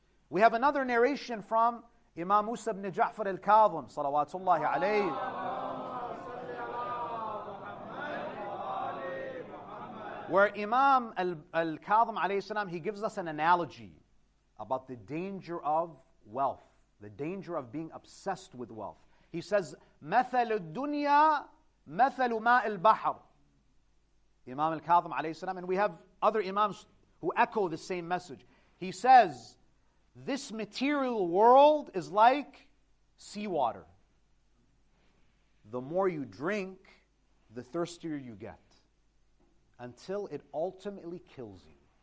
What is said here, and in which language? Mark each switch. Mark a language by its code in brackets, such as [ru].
[en] We have another narration from Imam Musa ibn Ja'far al-Kadhim, salawatullahi alayhi. Where Imam al-Kadhim alayhi salam, he gives us an analogy about the danger of wealth, the danger of being obsessed with wealth. He says, [ar] مثل الدنيا مثل ماء البحر. [en] Imam al-Kadhim alayhi salam, and we have other imams who echo the same message. He says, this material world is like seawater. The more you drink, the thirstier you get, until it ultimately kills you.